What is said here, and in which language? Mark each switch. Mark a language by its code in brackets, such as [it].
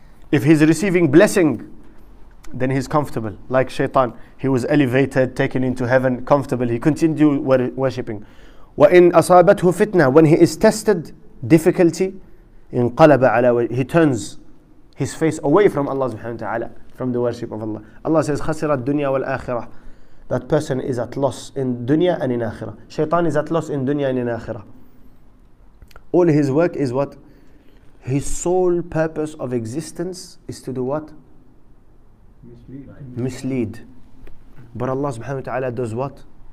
[en] If he's receiving blessing, then he's comfortable. Like Shaytan, he was elevated, taken into heaven, comfortable. He continued worshipping. [ar] وَإِنْ أَصَابَتْهُ فِتْنَةٌ. [en] When he is tested, difficulty, [ar] انقلب على, [en] he turns, his face away from Allah subhanahu wa ta'ala, from the worship of Allah. Allah says, [ar] خَسِرَ الدُّنْيَا وَالْآخِرَةَ. [en] That person is at loss in dunya and in akhirah. Shaitan is at loss in dunya and in akhirah. All his work is what? His sole purpose of existence is to do what? Mislead. But Allah subhanahu wa ta'ala does what?